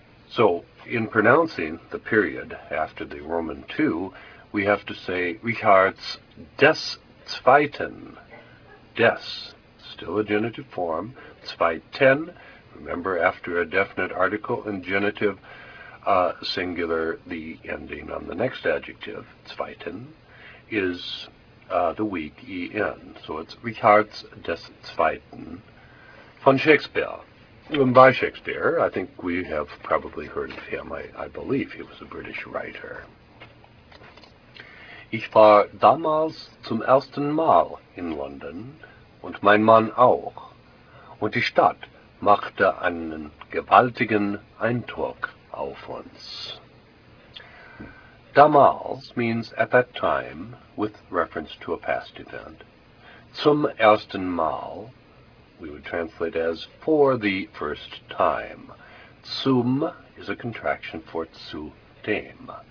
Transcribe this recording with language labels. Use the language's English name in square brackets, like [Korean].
[English] So, in pronouncing the period after the Roman two, we have to say Richards des Zweiten, des, still a genitive form, zweiten, remember after a definite article in genitive singular, the ending on the next adjective, zweiten, is the weak en, so it's Richards des Zweiten von Shakespeare. And by Shakespeare, I think we have probably heard of him, I believe he was a British writer. [German] Ich war damals zum ersten Mal in London, und mein Mann auch, und die Stadt machte einen gewaltigen Eindruck auf uns. [English] Damals means at that time, with reference to a past event. Zum ersten Mal, we would translate as for the first time. Tsum is a contraction for tsu tem.